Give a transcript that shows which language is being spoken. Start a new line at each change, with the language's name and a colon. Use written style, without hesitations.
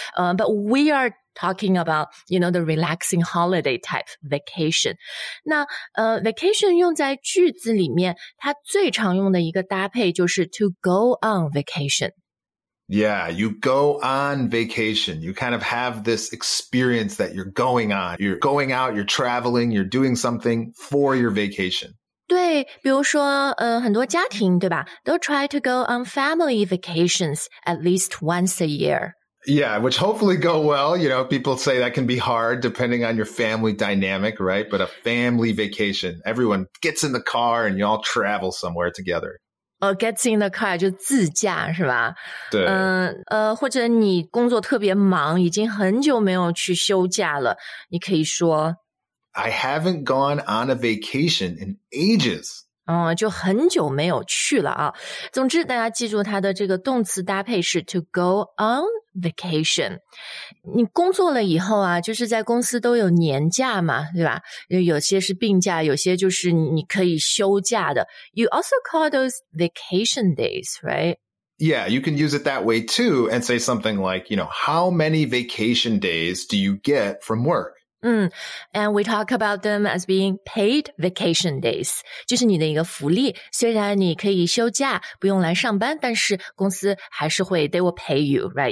English: But we are talking about, you know, the relaxing holiday type vacation.
Chinese: 那vacation 用在句子里面它最常用的一个搭配就是 to go on vacation.
English: Yeah, you go on vacation. You kind of have this experience that you're going on. You're going out, you're traveling, you're doing something for your vacation.
Chinese: 对，比如说，很多家庭，对吧？
English: They'll try to go on family vacations at least once a year. Yeah, which hopefully go well. You know, people say that can be hard depending on your family dynamic, right? But a family vacation, everyone gets in the car and y'all travel somewhere together. Gets in the car,
Chinese: 就自驾是吧？对。或者你工作特别忙，已经很久没有去休假了，你可以说
English: I haven't gone on a vacation in ages.
Chinese: 就很久没有去了啊。总之，大家记住它的这个动词搭配是 to go on vacation. 你工作了以后啊，就是在公司都有年假嘛，对吧？有些是病假，有些就是你可以休假的。
English: You also call those vacation days, right? Yeah, you can use it that way too and say something like, you know, how many vacation days do you get from work? And we talk about them as being paid vacation days,
Chinese: 就是你的一个福利。虽然你可以休假，不用来上班，但是公司还是会
English: they will pay you, right?